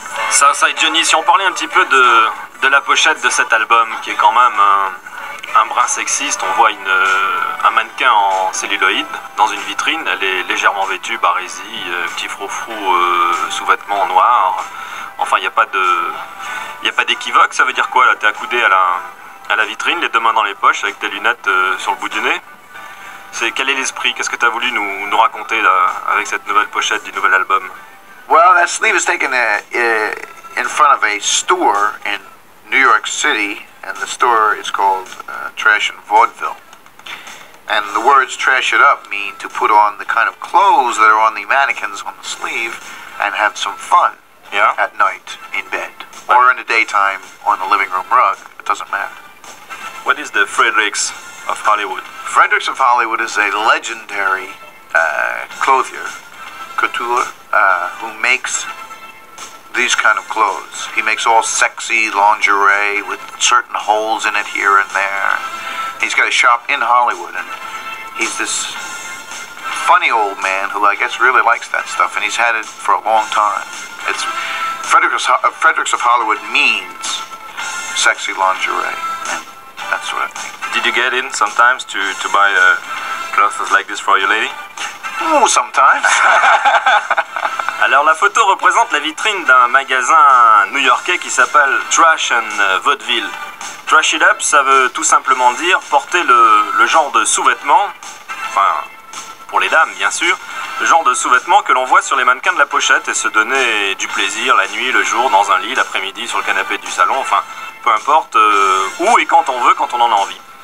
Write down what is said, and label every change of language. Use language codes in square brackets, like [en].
[fr] Southside Johnny, si on parlait un petit peu de la pochette de cet album, qui est quand même un brin sexiste, on voit un mannequin en celluloïde dans une vitrine, elle est légèrement vêtue, barésie, petit froufrou sous vêtements noirs. Enfin, il n'y a pas d'équivoque, ça veut dire quoi là? T'es accoudé à la vitrine, les deux mains dans les poches, avec tes lunettes sur le bout du nez. Quel est l'esprit? Qu'est-ce que t'as voulu nous raconter là, avec cette nouvelle pochette du nouvel album? [en] Well, that sleeve is taken in front of a store in New York City. And the store is called Trash and Vaudeville. And the words trash it up mean to put on the kind of clothes that are on the mannequins on the sleeve and have some fun at night in bed. Or in the daytime on the living room rug. It doesn't matter. What is the Fredericks of Hollywood? Fredericks of Hollywood is a legendary clothier, couture, who makes these kind of clothes. He makes all sexy lingerie with certain holes in it here and there. He's got a shop in Hollywood and he's this funny old man who I guess really likes that stuff, and he's had it for a long time. It's Fredericks of Hollywood means sexy lingerie, and that's what I think. Did you get in sometimes to buy clothes like this for your lady? Ooh, sometimes. [fr] Alors la photo représente la vitrine d'un magasin new-yorkais qui s'appelle Trash and Vaudeville. Trash it up, ça veut tout simplement dire porter le genre de sous-vêtements, enfin, pour les dames bien sûr, le genre de sous-vêtements que l'on voit sur les mannequins de la pochette et se donner du plaisir la nuit, le jour, dans un lit, l'après-midi, sur le canapé du salon, enfin, peu importe où et quand on veut, quand on en a envie.